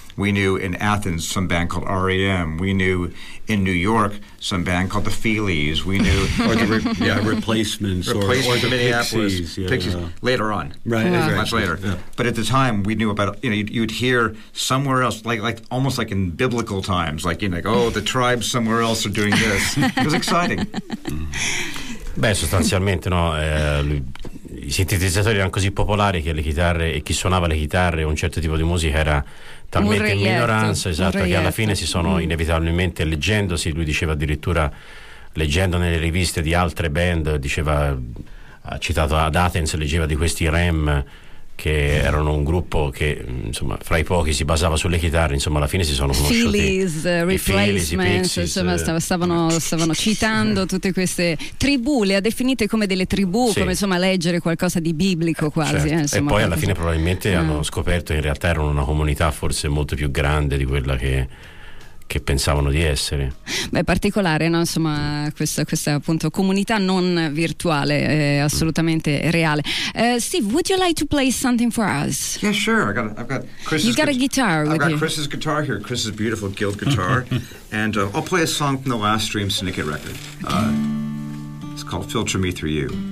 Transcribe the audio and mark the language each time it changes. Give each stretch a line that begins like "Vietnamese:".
English: We knew in Athens some band called R.E.M. We knew in New York some band called the Feelies. We knew Replacements, or the Minneapolis Pixies. Later on, much later. Yeah. But at the time, we knew about, you know, you'd hear somewhere else, like almost like in biblical times, like, you know, like, oh, the tribes somewhere else are doing this. It was exciting.
Italian: Beh, sostanzialmente, no, i sintetizzatori erano così popolari che le chitarre e chi suonava le chitarre un certo tipo di musica era talmente in minoranza, esatto, che alla fine si sono inevitabilmente, leggendosi, lui diceva addirittura, leggendo nelle riviste di altre band, diceva, ha citato ad Athens, leggeva di questi REM, che erano un gruppo che, insomma, fra i pochi si basava sulle chitarre, insomma, alla fine si sono conosciuti. Feelies, Replacements, insomma, stavano citando tutte queste tribù, le ha definite come delle tribù, sì, come, insomma, leggere qualcosa di biblico quasi. Certo. Insomma, e poi alla fine probabilmente hanno scoperto che in realtà erano una comunità forse molto più grande di quella che pensavano di essere. Beh, particolare, no? Insomma, questa appunto comunità non virtuale, assolutamente reale.
English: Steve, would you like to play something for us? Yeah, sure. I've got Chris's guitar here. Chris's beautiful Guild guitar. And I'll play a song from the last Dream Syndicate record. It's called Filter Me Through You.